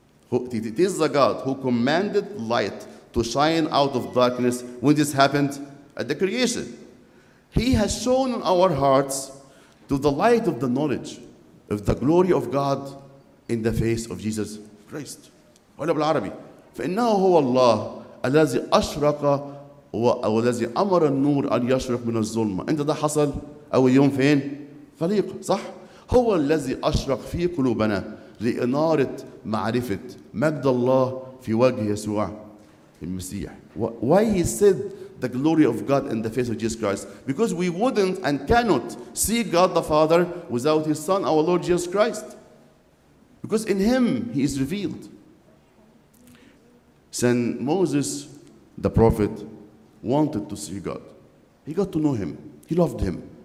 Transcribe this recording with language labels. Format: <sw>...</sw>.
<en>It is the God who commanded light to shine out of darkness when this happened at the creation. He has shown in our hearts to the light of the knowledge of the glory of God in the face of Jesus Christ.</en> <ar>قال بالعربي فإنه هو الله الذي أشرق والذي أمر النور أن يشرق من الظلمة. أنت ده حصل أول يوم فين؟ فليق صح؟ هو الذي أشرق في قلوبنا لإنارة معرفة مجد الله في وجه يسوع المسيح.</ar> <en>Why he said the glory of God in the face of Jesus Christ? Because we wouldn't and cannot see God the Father without his Son, our Lord Jesus Christ. Because in him he is revealed. Saint Moses, the prophet, wanted to see God. He got to know him. He loved him.</en>